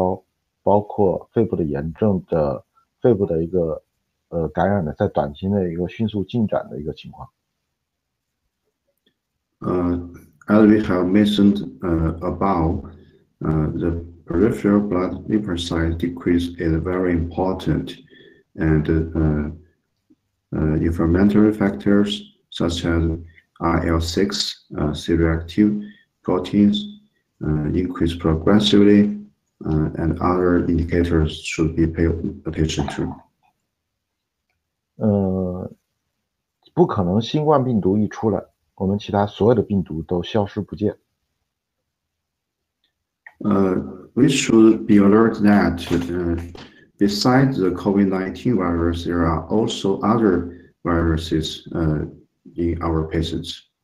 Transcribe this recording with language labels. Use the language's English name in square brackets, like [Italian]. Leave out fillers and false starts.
[Chinese] 那我们前面也反复提到了，这个淋巴细胞计数，或者说是这个进行性的乳酸升高，包括肺部的炎症的。肺部的一个感染的在短期内一个迅速进展的一个情况。 [English] As we have mentioned above, the peripheral blood lymphocyte decrease is very important, and inflammatory factors such as IL-6 C-reactive proteins increase progressively, and other indicators should be paid attention to. [Chinese] 不可能新冠病毒一出来，我们其他所有的病毒都消失不见。 [English] We should be alert that besides the COVID-19 virus, there are also other viruses in our patients.